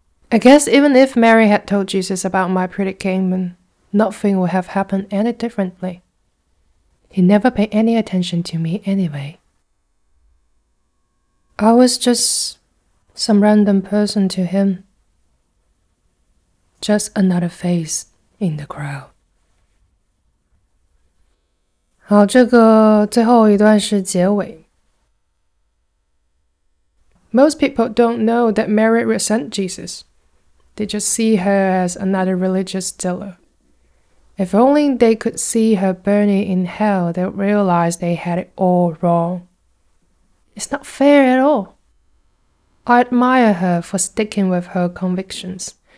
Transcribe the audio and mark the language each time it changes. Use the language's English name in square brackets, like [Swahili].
[English] I guess even if Mary had told Jesus about my predicament, nothing would have happened any differently. He never paid any attention to me anyway. I was just some random person to him. Just another face in the crowd. [Chinese] 好，这个最后一段是结尾。 [English] Most people don't know that Mary resents Jesus. They just see her as another religious dealer. If only they could see her burning in hell, they'd realize they had it all wrong. It's not fair at all. I admire her for sticking with her convictions.